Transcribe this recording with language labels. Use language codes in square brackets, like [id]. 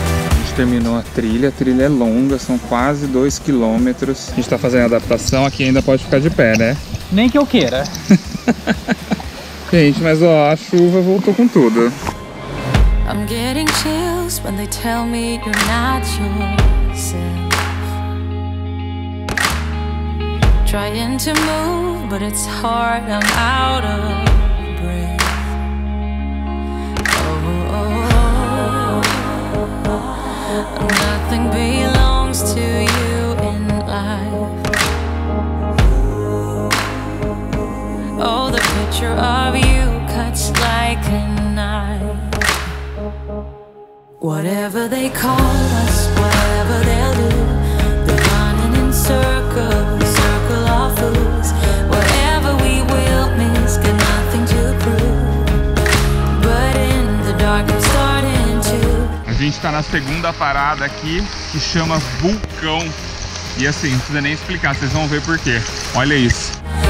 [pt] A gente terminou a trilha é longa, são quase 2 quilômetros. A gente tá fazendo adaptação, aqui ainda pode ficar de pé, né? Nem que eu queira. Gente, mas ó, a chuva voltou com tudo. [en] I'm getting chills when they tell me you're not yourself. Trying to move, but it's hard, I'm out of breath. Oh, oh, oh. Nothing belongs to you in life. Oh, the picture of you cuts like a knife. Whatever they call us, whatever they'll do, they're running in circles, circle of fools. Whatever we will miss, got nothing to prove. But in the dark, I'm starting to. [pt] A gente tá na segunda parada aqui, que chama Vulcão. E assim, não precisa nem explicar, vocês vão ver por quê. Olha isso.